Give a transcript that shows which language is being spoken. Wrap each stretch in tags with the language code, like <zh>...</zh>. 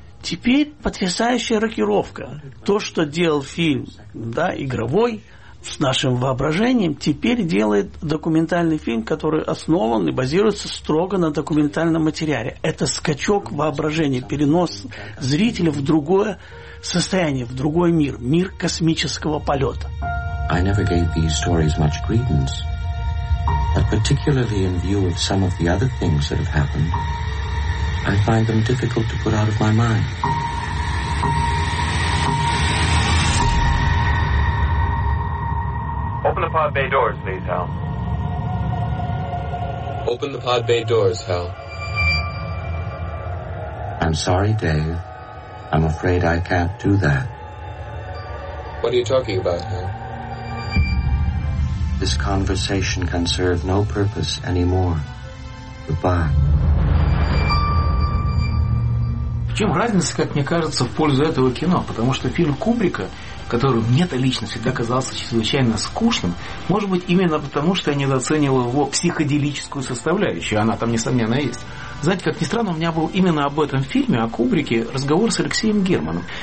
<ru>Теперь потрясающая рокировка. То, что делал фильм, да, игровой, с нашим воображением, теперь делает документальный фильм, который основан и базируется строго на документальном материале. Это скачок воображения, перенос зрителя в другое состояние, в другой мир, мир космического полета.</ru> <en>I never gave these stories much credence, but particularly in view of some of the other things that have happened, I find them difficult to put out of my mind. Open the pod bay doors, please, Hal. Open the pod bay doors, Hal. I'm sorry, Dave. I'm afraid I can't do that. What are you talking about, Hal? This conversation can serve no purpose anymore. Goodbye.</en> <ru>В чем разница, как мне кажется, в пользу этого кино? Потому что фильм Кубрика, к который мне-то лично всегда казался чрезвычайно скучным, может быть, именно потому, что я недооценивал его психоделическую составляющую, она там, несомненно, есть. Знаете, как ни странно, у меня был именно об этом фильме, о Кубрике, разговор с Алексеем Германом.</ru>